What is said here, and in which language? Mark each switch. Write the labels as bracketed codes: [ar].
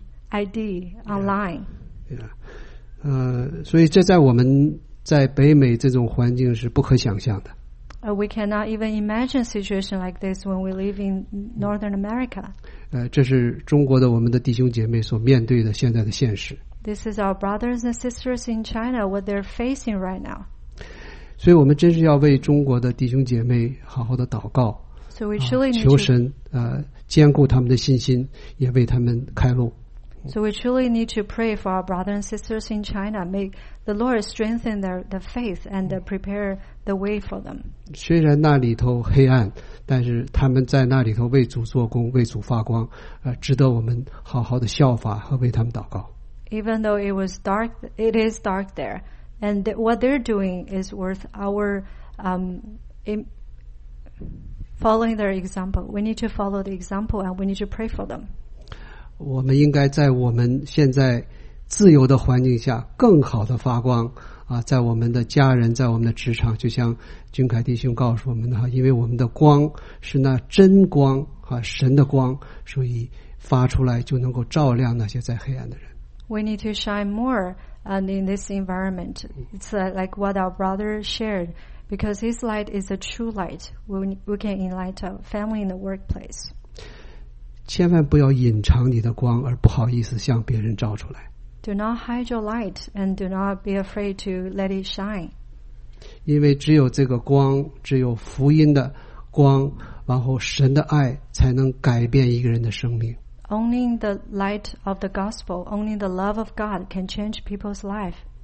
[en] ID online. Yeah. [zh] 所以这在我们在北美这种环境是不可想象的。 [en] We cannot even imagine a situation like this when we live in Northern America. [zh] 这是中国的我们的弟兄姐妹所面对的现在的现实。 [en] This is our brothers and sisters in China, what they're facing right now. [zh] 所以我们真是要为中国的弟兄姐妹好好的祷告。 [en] So we truly need [zh] 求神坚固他们的信心，也为他们开路。 [en] So we truly need to pray for our brothers and sisters in China. May the Lord strengthen the faith and prepare the way for them. [zh] 虽然那里头黑暗，但是他们在那里头为主做工，为主发光，值得我们好好的效法和为他们祷告。 [en] Even though it was dark, it is dark there, and what they're doing is worth our following their example. We need to follow the example, and we need to pray for them. [zh] 我们应该在我们现在自由的环境下更好的发光啊，在我们的家人，在我们的职场，就像君凯弟兄告诉我们的哈，因为我们的光是那真光啊，神的光，所以发出来就能够照亮那些在黑暗的人。 [en] We need to shine more and in this environment. It's like what our brother shared, because his light is a true light. We can enlighten our family in the workplace. [zh] 千万不要隐藏你的光而不好意思向别人照出来。 [en] Do not hide your light and do not be afraid to let it shine. [zh] 因为只有这个光，只有福音的光，然后神的爱才能改变一个人的生命。 [en] Only the light of the gospel, only the love of God can change people's life.